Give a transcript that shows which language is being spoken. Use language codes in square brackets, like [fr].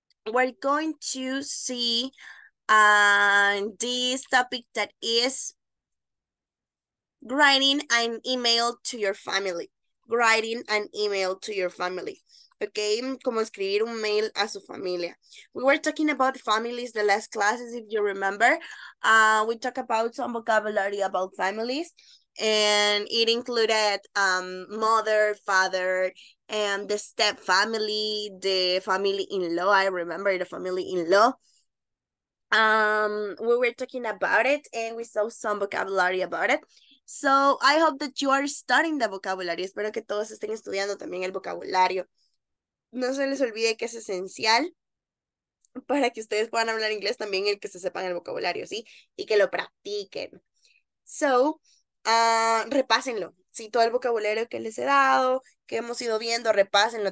[en] We're going to see this topic that is writing an email to your family. Writing an email to your family. [es] Okay, como escribir un mail a su familia. [en] We were talking about families the last classes, if you remember. We talked about some vocabulary about families, and it included mother, father, and the step family, the family in-law. I remember the family in-law. We were talking about it, and we saw some vocabulary about it. So I hope that you are studying the vocabulary. [es] Espero que todos estén estudiando también el vocabulario. No se les olvide que es esencial para que ustedes puedan hablar inglés también y que se sepan el vocabulario, ¿sí? Y que lo practiquen. So, repásenlo, ¿sí? Todo el vocabulario que les he dado, que hemos ido viendo, repásenlo.